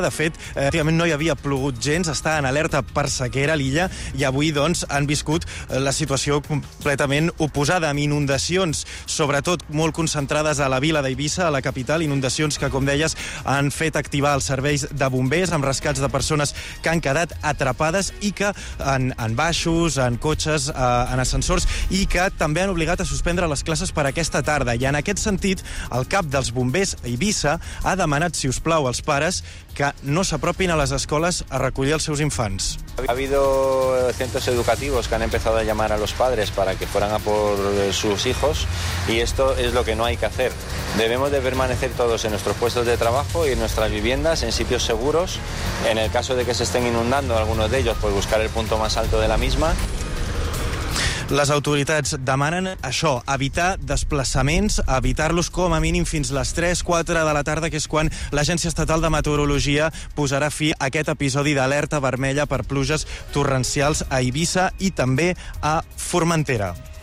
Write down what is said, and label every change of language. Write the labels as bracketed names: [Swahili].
[Catalan] De fet, últimament no hi havia plogut gens, està en alerta per sequera a l'illa i avui, doncs, han viscut la situació completament oposada, amb inundacions, sobretot molt concentrades a la vila d'Eivissa, a la capital, inundacions que, com deies, han fet activar els serveis de bombers amb rescats de persones que han quedat atrapades i que en baixos, en cotxes, en ascensors, i que també han obligat a suspendre les classes per aquesta tarda. I en aquest sentit, el cap dels bombers a Eivissa ha demanat, si us plau, als pares que no s'apropin a les escoles a recollir els seus infants. [Spanish] Ha habido centros educativos que han empezado a llamar a los padres para que fueran a por sus hijos y esto es lo que no hay que hacer. Debemos de permanecer todos en nuestros puestos de trabajo y en nuestras viviendas, en sitios seguros. En el caso de que se estén inundando algunos de ellos, pues buscar el punto más alto de la misma. [Catalan] Les autoritats demanen això, evitar desplaçaments, evitar-los com a mínim fins les 3-4 de la tarda, que és quan l'Agència Estatal de Meteorologia posarà fi a aquest episodi d'alerta vermella per pluges torrencials a Eivissa i també a Formentera.